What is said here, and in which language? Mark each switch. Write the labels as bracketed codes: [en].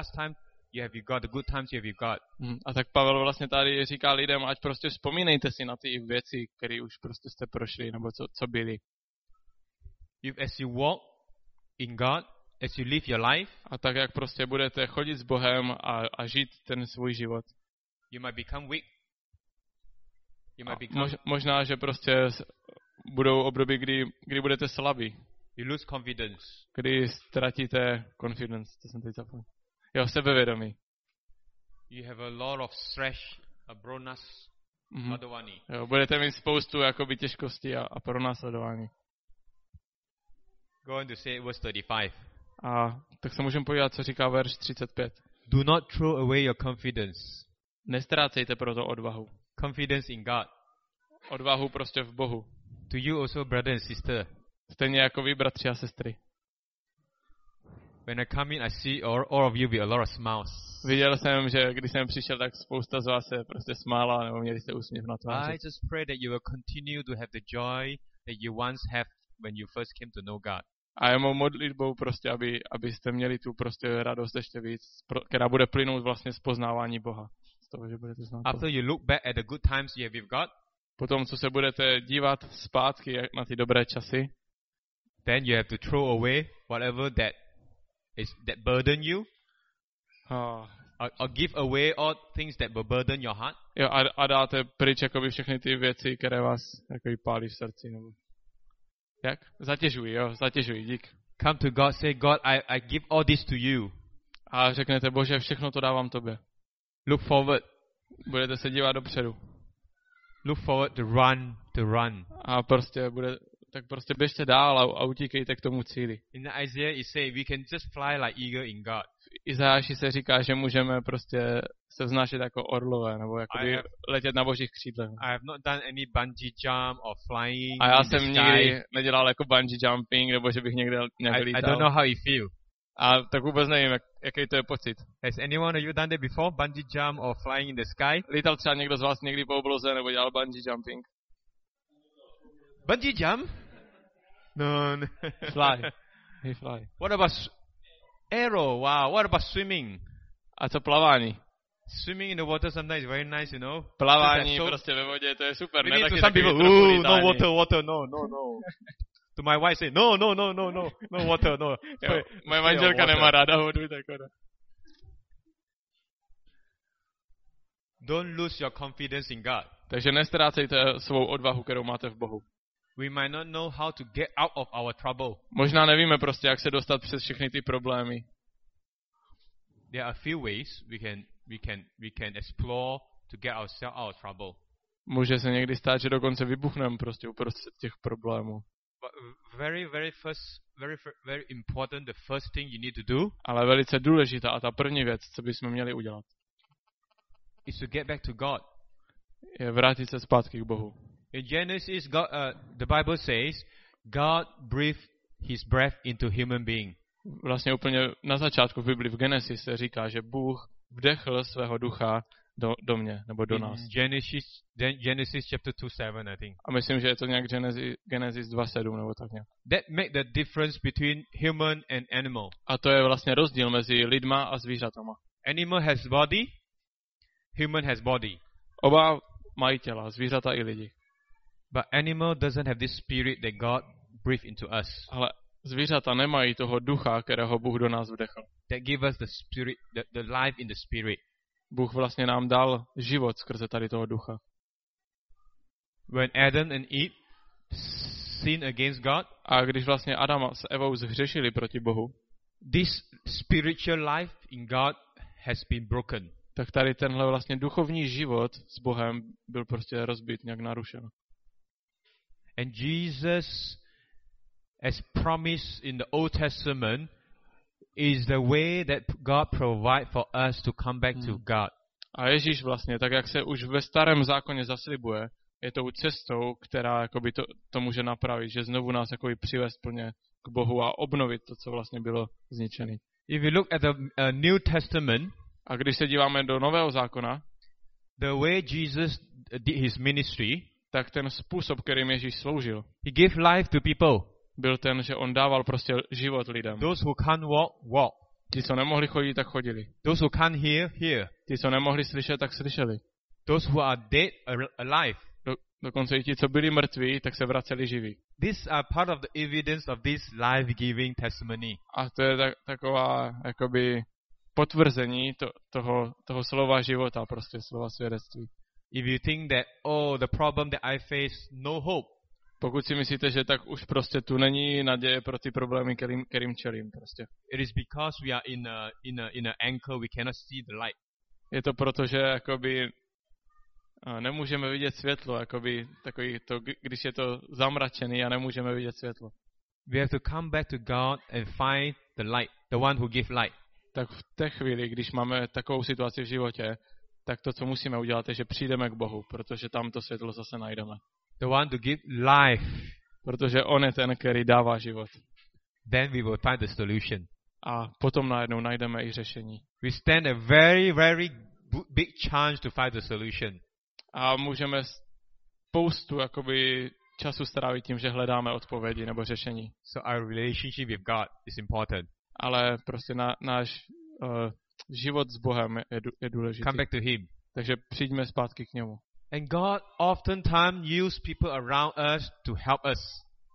[en] Last time you have with God, the good times you have with God. [cs] A tak Pavel vlastně tady říká lidem, ať prostě vzpomínejte si na ty věci, které už prostě jste prošli, nebo co byly. [en] If as you walk in God, as you live your life, [cs] a tak jak prostě budete chodit s Bohem a žít ten svůj život, [en] you might become weak. [cs] Možná, že prostě budou období, kdy budete slabí. [en] You lose confidence. [cs] Kdy ztratíte confidence, to jsem teď zapomněl. Jo, sebevědomí. [en] You have a lot of stress, a bronas, Madovaní. [cs] Jo, budete mít spoustu jakoby těžkosti a pronásledování. [en] Go on to say verse 35. [cs] A tak se můžeme podívat, co říká verš 35. [en] Do not throw away your confidence. [cs] Nestrácejte proto odvahu. [en] Confidence in God. [cs] Odvahu prostě v Bohu. [en] To you also, brother and sister. [cs] Stejně jako vy, bratři a sestry. [en] When I come in, I see all of you with a lot of smiles. [cs] Viděl jsem, že když jsem přišel, tak spousta z vás se prostě smála, nebo měli jste úsměv na tváři. [en] I just pray that you will continue to have the joy that you once had when you first came to know God. [cs] A je mou modlitbou prostě, abyste měli tu prostě radost ještě víc, která bude plynout vlastně z poznávání Boha. Z toho, že budete znát [en] After you look back at the good times you have with God, [cs] potom, co se budete dívat zpátky na ty dobré časy, [en] then you have to throw away whatever that is that burden you. Or give away all things that will burden your heart. [cs] Jo, a dáte pryč jakoby všechny ty věci, které vás jakoby pálí v srdci. Nebo. Jak? Zatěžují, dík. [en] Come to God, say, God, I give all this to you. [cs] A řeknete, Bože, všechno to dávám tobě. [en] Look forward. [cs] Budete se dívat dopředu. [en] Look forward to run. [cs] A prostě bude. Tak prostě běžte dál a utíkejte k tomu cíli. [en] In Isaiah it says we can just fly like eagle in God. [cs] Izajáši se říká, že můžeme prostě se vznášet jako orlové, nebo jako letět na božích křídlech. [en] I have not done any bungee jump or flying. [cs] A já jsem nikdy nedělal jako bungee jumping, nebo že bych někde nějak lítal. [en] I don't know how you feel. [cs] A tak vůbec nevím, jaký to je pocit. [en] Has anyone of you done that before, bungee jump or flying in the sky? [cs] Lítal třeba někdo z vás někdy po obloze, nebo dělal bungee jumping? [en] Bungee jump? No, no. Fly. He fly. What about aero? Wow. What about swimming? [cs] A co plavání? [en] Swimming in the water sometimes very nice, you know. [cs] Plavání so, prostě ve vodě, to je super. [en] We need to some people, ooh, no water, water, no, no, no. To my wife say, no, no, no, no, no, no water, no. [cs] Moje manželka nemá ráda vodu, tak ona. [en] Don't lose your confidence in God. [cs] Takže nestrácejte svou odvahu, kterou máte v Bohu. [en] We might not know how to get out of our trouble. [cs] Možná nevíme prostě, jak se dostat přes všechny ty problémy. [en] There are a few ways we can explore to get ourselves out of trouble. [cs] Může se někdy stát, že dokonce vybuchneme prostě uprostřed těch problémů. [en] But very important, the first thing you need to do. [cs] Ale velice důležitá a ta první věc, co bychom měli udělat. [en] Is to get back to God. [cs] Je vrátit se zpátky k Bohu. [en] In Genesis, God, the Bible says, God breathed His breath into human being. [cs] Vlastně úplně na začátku Bible v Genesis se říká, že Bůh vdechl svého ducha do mě, nebo do nás. [en] Genesis chapter 2:7, I think. [cs] A myslím, že je to nějak Genesis 2:7 nebo tak nějak. [en] That make the difference between human and animal. [cs] A to je vlastně rozdíl mezi lidma a zvířatama. [en] Animal has body, human has body. [cs] Oba mají těla, zvířata i lidi. [en] But animal doesn't have this spirit that God breathed into us. [cs] Ale zvířata nemají toho ducha, kterého Bůh do nás vdechl. [en] That gives us the spirit, the life in the spirit. [cs] Bůh vlastně nám dal život skrze tady toho ducha. [en] When Adam and Eve sinned against God, [cs] a když vlastně Adam s Evou zhřešili proti Bohu, [en] this spiritual life in God has been broken. [cs] Tak tady tenhle vlastně duchovní život s Bohem byl prostě rozbit, nějak narušen. [en] And Jesus, as promised in the Old Testament, is the way that God provides for us to come back to God. [cs] A Ježíš vlastně, tak jak se už ve starém zákoně zaslibuje, je tou cestou, která jakoby to může napravit, že znovu nás jakoby přivést plně k Bohu a obnovit to, co vlastně bylo zničené. [en] If you look at the New Testament, [cs] a když se díváme do Nového zákona, [en] the way Jesus did his ministry, [cs] tak ten způsob, kterým Ježíš sloužil, [en] he gave life to people. [cs] Byl ten, že on dával prostě život lidem. [en] Those who can't walk, walk. [cs] Ti, co nemohli chodit, tak chodili. [en] Those who can't hear, hear. [cs] Ti, co nemohli slyšet, tak slyšeli. [en] Those who are dead, alive. [cs] Dokonce i ti, co byli mrtví, tak se vraceli živí. [en] These are part of the evidence of this life-giving testimony. [cs] A to je taková jakoby potvrzení toho slova života, prostě slova svědectví. [en] If you think that, oh, the problem that I face, no hope. [cs] Pokud si myslíte, že tak už prostě tu není naděje pro ty problémy, kterým čelím prostě. [en] It is because we are in an anchor, we cannot see the light. [cs] Je to proto, že jakoby nemůžeme vidět světlo, jakoby takový to, když je to zamračený a nemůžeme vidět světlo. [en] We have to come back to God and find the light, the one who gives light. [cs] Tak v té chvíli, když máme takovou situaci v životě, tak to, co musíme udělat, je, že přijdeme k Bohu, protože tam to světlo zase najdeme. [en] The one to give life. [cs] Protože on je ten, který dává život. [en] Then we will find the solution. [cs] A potom najednou najdeme i řešení. [en] We stand a very, very big chance to find the solution. [cs] A můžeme spoustu jakoby času strávit tím, že hledáme odpovědi nebo řešení. [en] So our relationship with God is important. [cs] Ale prostě náš život s Bohem je důležitý. [en] Come back to him. [cs] Takže přijďme zpátky k němu. [en] And God oftentimes uses people around us to help us.